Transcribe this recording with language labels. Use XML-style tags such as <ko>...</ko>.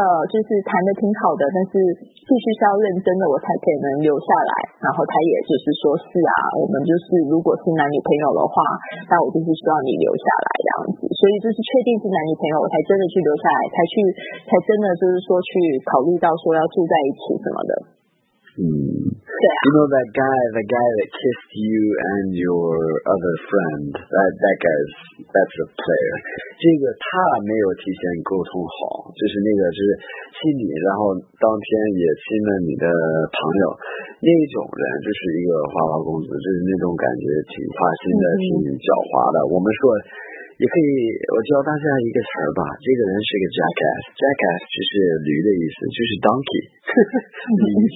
<zh>就是谈得挺好的，但是必须是要认真的我才可以能留下来，然后他也就是说是啊，我们就是如果是男女朋友的话，那我就是需要你留下来这样子，所以就是确定是男女朋友我才真的去留下来，才真的就是说去考虑到说要住在一起什么的。</zh> <en>Yeah. You know that guy, the guy that kissed you and your other friend, that's a player.</en> <zh>这个他没有提前沟通好，就是那个是亲你，然后当天也亲了你的朋友，那种人就是一个花花公子，就是那种感觉挺花心的，挺狡猾的。我们说也可以，我教大家一个词吧，这个人是个 jackass 就是驴的意思，就是 donkey 驴</zh>